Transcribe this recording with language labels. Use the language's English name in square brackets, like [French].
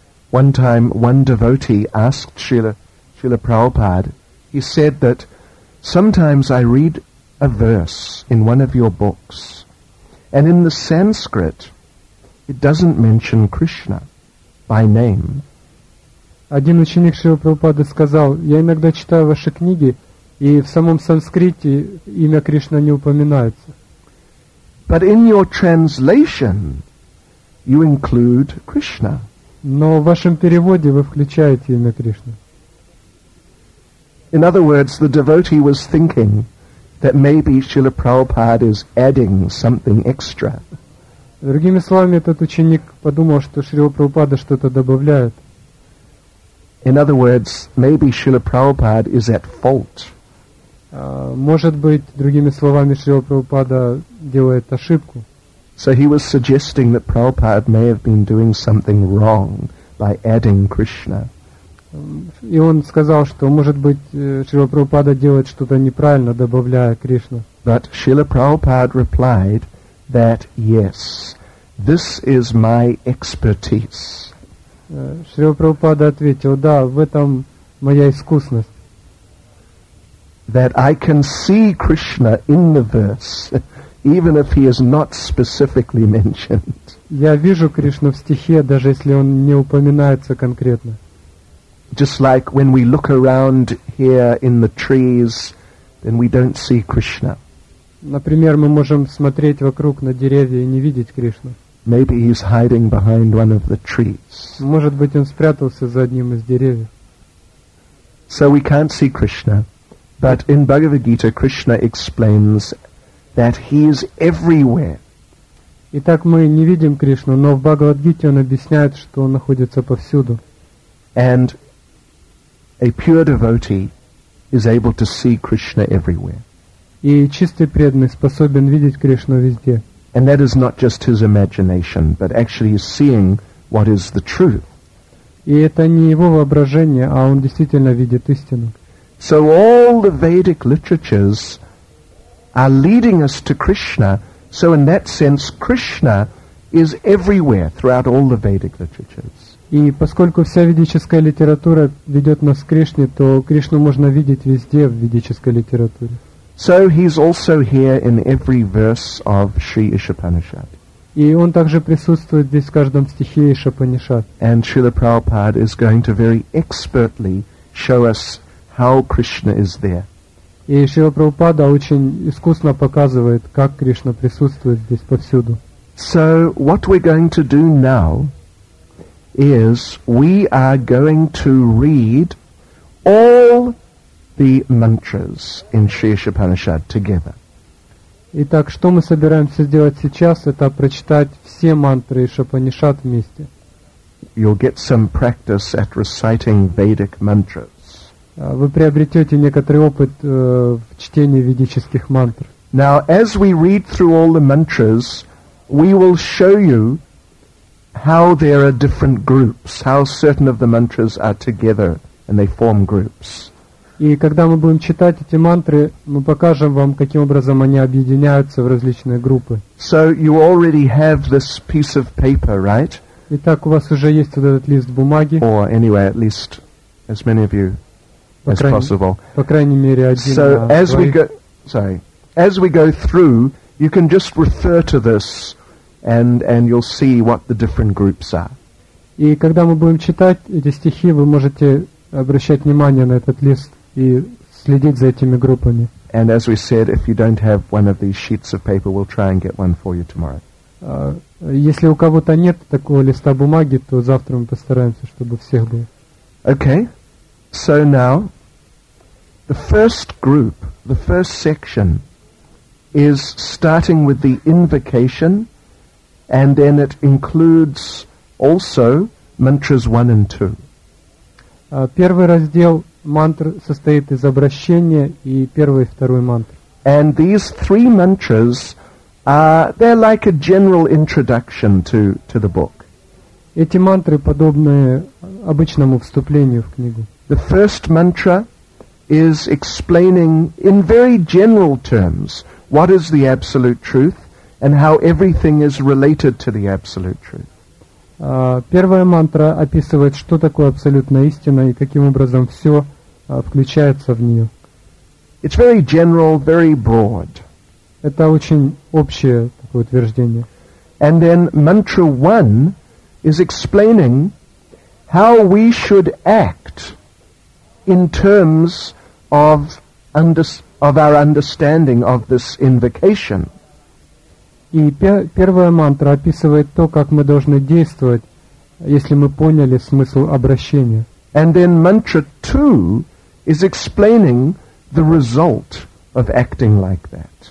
[English] One time, one devotee asked Srila Prabhupada, he said that sometimes I read a verse in one of your books, and in the Sanskrit, it doesn't mention Krishna by name. [Russian] Один ученик Шрилы Прабхупады сказал, я иногда читаю ваши книги, и в самом санскрите имя Кришна не упоминается. [English] But in your translation, you include Krishna. [Russian] Но в вашем переводе вы включаете имя Кришны. [English] In other words, the devotee was thinking that maybe Srila Prabhupada is adding something extra. [Russian] Другими словами, этот ученик подумал, что Шрила Прабхупада что-то добавляет. [English] In other words, maybe Srila Prabhupada is at fault. [Russian] Может быть, другими словами, Шрила Прабхупада делает ошибку. [English] So he was suggesting that Prabhupada may have been doing something wrong by adding Krishna. [Russian] И он сказал, что, может быть, Шрила Прабхупада делает что-то неправильно, добавляя Кришну. [English] But Srila Prabhupada replied that, yes, this is my expertise. [Russian] Шрила Прабхупада ответил, да, в этом моя искусность. [English] That I can see Krishna in the verse, even if he is not specifically mentioned. [Russian] Я вижу Кришну в стихе, даже если он не упоминается конкретно. [English] Just like when we look around here in the trees, then we don't see Krishna. [Russian] Например, мы можем смотреть вокруг на деревья и не видеть Кришну. [English] Maybe he's hiding behind one of the trees. [Russian] Может быть, он спрятался за одним из деревьев. [English] So we can't see Krishna, but in Bhagavad Gita, Krishna explains that he is everywhere. [Russian] Итак, мы не видим Кришну, но в Бхагавад-гите он объясняет, что он находится повсюду. [English] And a pure devotee is able to see Krishna everywhere. [Russian] И чистый преданный способен видеть Кришну везде. [English] And that is not just his imagination, but actually is seeing what is the truth. [Russian] И это не его воображение, а он действительно видит истину. [English] So all the Vedic literatures are leading us to Krishna. So in that sense, Krishna is everywhere throughout all the Vedic literatures. [Russian] И поскольку вся ведическая литература ведет нас к Кришне, то Кришну можно видеть везде в ведической литературе. [English] So he's also here in every verse of Sri Ishupanishad. [Russian] И он также присутствует здесь в каждом стихе Ишупанишад. [English] And Srila Prabhupada is going to very expertly show us how Krishna is there. [Russian] И Шрила Прабхупада очень искусно показывает, как Кришна присутствует здесь повсюду. [English] So what we're going to do now is we are going to read all the mantras in Sri Ishupanishad together. [Russian] Итак, что мы собираемся сделать сейчас, это прочитать все мантры Ишупанишад вместе. [English] You'll get some practice at reciting Vedic mantras. [Russian] Вы приобретете некоторый опыт в чтении ведических мантр. [English] Now, as we read through all the mantras, we will show you how there are different groups, how certain of the mantras are together and they form groups. [Russian] И когда мы будем читать эти мантры, мы покажем вам, каким образом они объединяются в различные группы. [English] So you already have this piece of paper, right? [Russian] Итак, у вас уже есть вот этот лист бумаги. [English] Or anyway, at least as many of you as possible. [Russian] По крайней мере, один. [English] So as we go, sorry, as we go through, you can just refer to this, and you'll see what the different groups are. [Russian] И когда мы будем читать эти стихи, вы можете обращать внимание на этот лист и следить за этими группами. [English] And as we said, if you don't have one of these sheets of paper, we'll try and get one for you tomorrow. [Russian] Если у кого-то нет такого листа бумаги, то завтра мы постараемся, чтобы всех было. [English] Okay. So now, the first group, the first section, is starting with the invocation, and then it includes also mantras 1 and 2. [Russian] Первый раздел мантр состоит из обращения и первой и второй мантры. [English] And these three mantras, they're like a general introduction to the book. [Russian] Эти мантры подобны обычному вступлению в книгу. [English] The first mantra is explaining in very general terms what is the absolute truth and how everything is related to the absolute truth. [Russian] Первая мантра описывает, что такое абсолютная истина и каким образом все включается в нее. [English] It's very general, very broad. [Russian] Это очень общее такое утверждение. [English] And then mantra one is explaining how we should act in terms of of our understanding of this invocation. [Russian] И первая мантра описывает то, как мы должны действовать, если мы поняли смысл обращения. [English] And then mantra two is explaining the result of acting like that.